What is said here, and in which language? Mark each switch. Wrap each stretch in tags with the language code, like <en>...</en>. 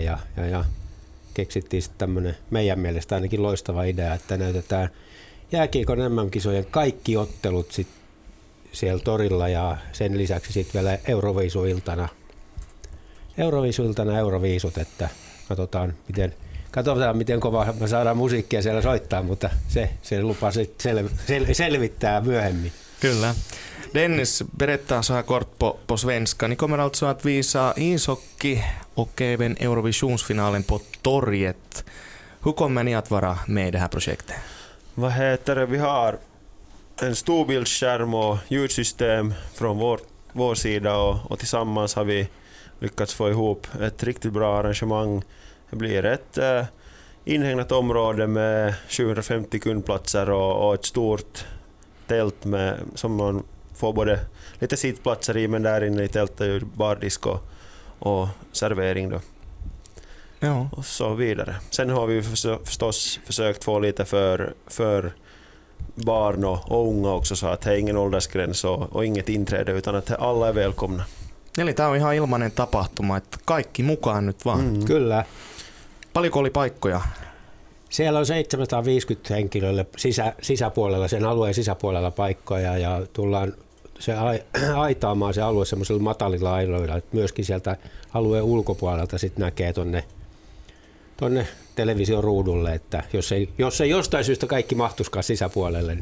<fi>Ja keksittiin sitten tämmöinen meidän mielestä ainakin loistava idea, että näytetään jääkiekon MM-kisojen kaikki ottelut sit siellä torilla ja sen lisäksi sitten vielä Euroviisuiltana Euroviisut, että katsotaan miten kova me saadaan musiikkia siellä soittaa, mutta se lupa sitten selvittää myöhemmin. Kyllä.</fi> <sv>Dennis, berätta saa kort på svenska. Ni kommer alltså att visa ishockey och även Eurovisionsfinalen på torget. Hur kommer ni att vara med i det här projektet? Vad heter det? Vi har en stor bildskärm och ljudsystem från vår sida och tillsammans har vi lyckats få ihop ett riktigt bra arrangemang. Det blir ett inhägnat område med 750 kundplatser och ett stort tält med, som man får både lite sittplatser i, men där inne i tältet är ju bardisk och servering då. Ja. Och så vidare. Sen har vi förstås försökt få lite för barn och unga också, så att det är ingen åldersgräns och inget inträde, utan att alla är välkomna.</sv> <fi>Eli tämä on ihan ilmainen tapahtuma, että kaikki mukaan nyt vaan. Mm. Kyllä. Paljonko oli paikkoja? Siellä on 750 henkilölle sisäpuolella, sen alueen sisäpuolella paikkoja, ja tullaan se aitaamaan se alue semmoisilla matalilla aidoilla, että myöskin sieltä alueen ulkopuolelta sit näkee tonne television ruudulle, että jos ei jostain syystä kaikki mahtuisikaan sisäpuolelle.</fi>